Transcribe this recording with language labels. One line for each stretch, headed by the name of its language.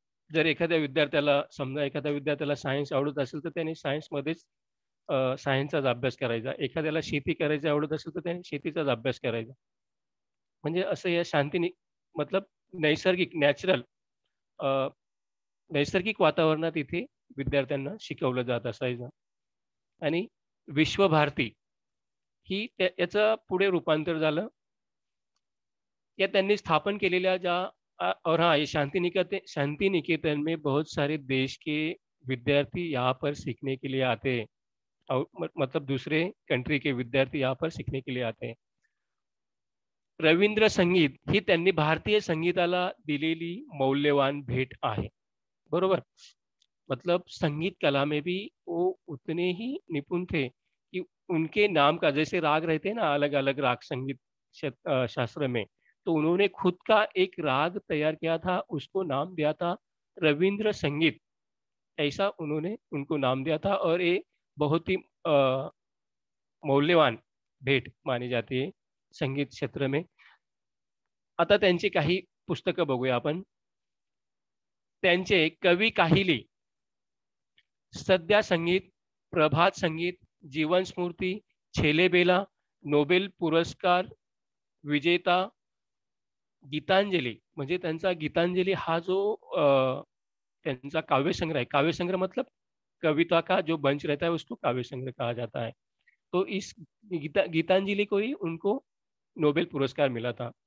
Marathi: जर एखाद्या विद्यार्थ्याला समजा एखाद्या विद्यार्थ्याला सायन्स आवडत असेल तर त्याने सायन्समध्येच सायन्सचाच अभ्यास करायचा, एखाद्याला शेती करायची आवडत असेल तर त्याने शेतीचाच अभ्यास करायचा, म्हणजे असं या शांती मतलब नैसर्गिक नॅचरल नैसर्गिक वातावरणात इथे विद्यार्थ्यांना शिकवलं जात असायचं। आणि विश्वभारती ही याचं पुढे रूपांतर झालं, या त्यांनी स्थापन केलेल्या ज्या
Hindi: और हाँ ये शांतिनिकेतन में बहुत सारे देश के विद्यार्थी यहाँ पर सीखने के लिए आते हैं, मतलब दूसरे कंट्री के विद्यार्थी यहाँ पर सीखने के लिए आते हैं।
Marathi: रवींद्र संगीत ही त्यांनी भारतीय संगीताला दिलेली मौल्यवान भेट आहे बरोबर,
Hindi: मतलब संगीत कला में भी वो उतने ही निपुण थे कि उनके नाम का जैसे राग रहते हैं ना अलग अलग राग संगीत शास्त्र में, तो उन्होंने खुद का एक राग तैयार किया था, उसको नाम दिया था रवींद्र संगीत, ऐसा उन्होंने उनको नाम दिया था और ये बहुत ही मौल्यवान भेट मानी जाती है संगीत क्षेत्र में।
Marathi: आता त्यांचे काही पुस्तक बघूया आपण। त्यांचे कवि काहिली, सद्या संगीत, प्रभात संगीत, जीवन स्मृति, छेले बेला, नोबेल पुरस्कार विजेता, गीतांजली, म्हणजे त्यांचा गीतांजली हा जो त्यांचा काव्यसंग्रह आहे, काव्यसंग्रह मतलब
Hindi: कविता का जो बंच रहता है उसको काव्यसंग्रह कहा जाता है, तो इस गीतांजलि को ही उनको नोबेल पुरस्कार मिला था।